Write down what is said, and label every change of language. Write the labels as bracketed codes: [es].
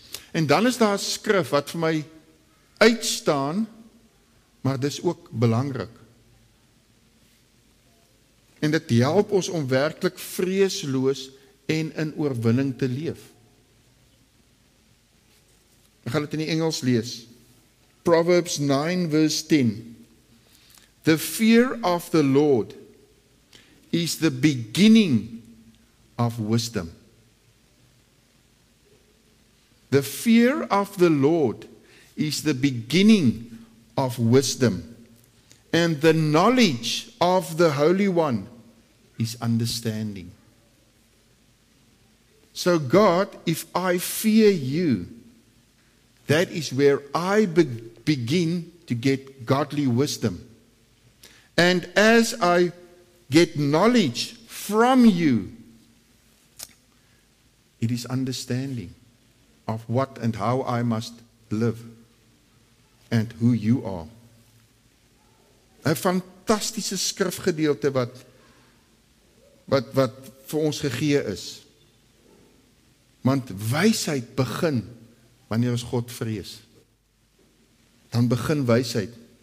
[af] En dan is daar skrif wat vir my uitstaan, maar dis ook belangrik. En dit help ons om werklik vreesloos en in oorwinning te leef. Ek gaan dit in die Engels lees. [en] Proverbs 9 verse 10. The fear of the Lord is the beginning of wisdom. The fear of the Lord is the beginning of wisdom. And the knowledge of the Holy One is understanding. So God, if I fear you, that is where I begin to get godly wisdom. And as I get knowledge from you, it is understanding of what and how I must live and who you are. [af] 'N fantastiese skrifgedeelte wat vir ons gegee is. Want wysheid begin wanneer ons God vrees. Dan begin wysheid.